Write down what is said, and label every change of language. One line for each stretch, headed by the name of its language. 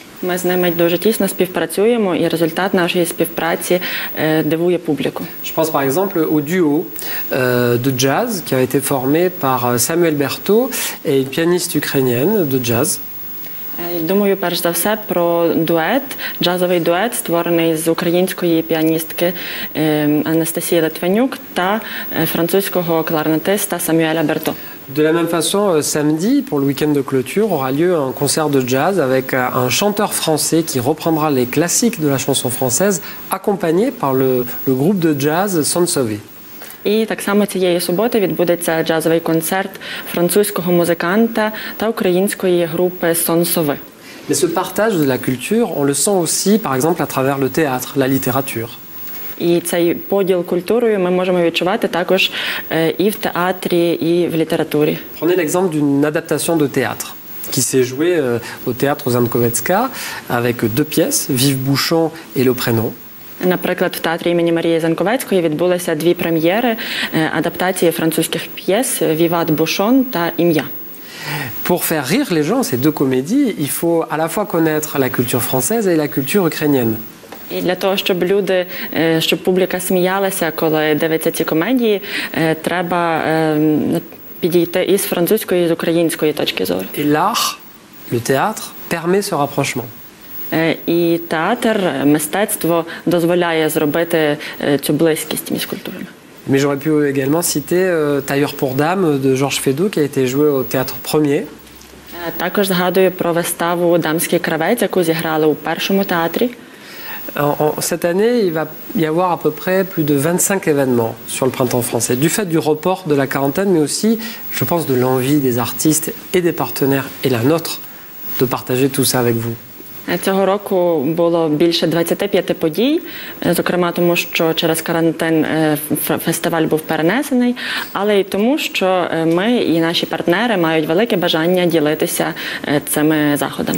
Ukrainian: Ми з ними дуже тісно співпрацюємо і результат нашої співпраці дивує публіку.
French: Je pense par exemple au duo de jazz qui a été formé par Samuel Berthaud et une pianiste ukrainienne de jazz.
Ukrainian: Думаю, перш за все, про дует, джазовий дует, створений з української піаністки Анастасії Литвинюк та французького кларнетиста Самюеля Берто.
French: De la même façon, samedi, pour le week-end de clôture, aura lieu un concert de jazz avec un chanteur français qui reprendra les classiques de la chanson française, accompagné par le groupe de jazz Sansovie.
Ukrainian: І так само цієї суботи відбудеться джазовий концерт французького музиканта та української групи Сонсове.
French: Mais ce partage de la culture, on le sent aussi par exemple à travers le théâtre, la littérature.
Ukrainian: І цей поділ культурою ми можемо відчувати також і в театрі, і в літературі.
French: Prenez l'exemple d'une adaptation de théâtre qui s'est jouée au théâtre Zankovetska avec deux pièces, Vive Bouchon et Le Prénom.
Ukrainian: Наприклад, в театрі імені Марії Занковецької відбулися дві прем'єри адаптації французьких п'єс «Віват Бушон» та «Ім'я».
French: Pour faire rire les gens, ces deux comédies, il faut à la fois connaître la culture française et la culture ukrainienne.
Ukrainian: І для того, щоб люди, щоб публіка сміялася, коли дивиться ці комедії, треба підійти із французької, і з української точки зору.
French: Et l'art, le théâtre, permet ce rapprochement.
Ukrainian: І театр, мистецтво дозволяє зробити цю близькість між культурами.
French: Mais j'aurais pu également citer Tailleur pour dames de Georges Feydeau qui a été joué au théâtre Premier.
Ukrainian: Також згадую про виставу «Дамський кравець», яку зіграли у першому театрі.
French: Cette année, il va y avoir à peu près plus de 25 événements sur le printemps français, du fait du report de la quarantaine, mais aussi, je pense, de l'envie des artistes et des partenaires et la nôtre de partager tout ça avec vous.
Ukrainian: Цього року було більше 25 подій, зокрема тому, що через карантин фестиваль був перенесений, але й тому, що ми і наші партнери мають велике бажання ділитися цими заходами.